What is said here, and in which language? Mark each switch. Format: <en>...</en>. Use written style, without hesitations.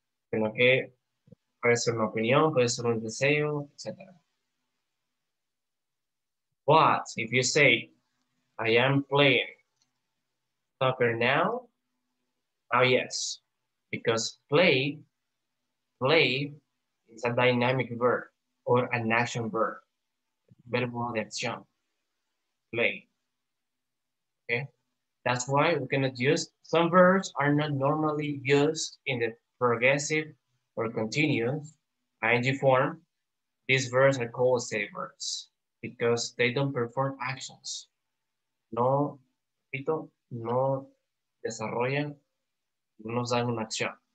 <es>Sino que puede ser una opinión, puede ser un deseo, etc.</es> <en>But if you say, I am playing soccer now, oh yes. Because play, it's a dynamic verb or an action verb.</en> <es>Verbo de acción.</es> <en>Play. Okay? That's why we cannot use some verbs are not normally used in the progressive or continuous ing form. These verbs are called state verbs because they don't perform actions.</en> <es>No, repito, no desarrollan, no nos dan una acción.</es>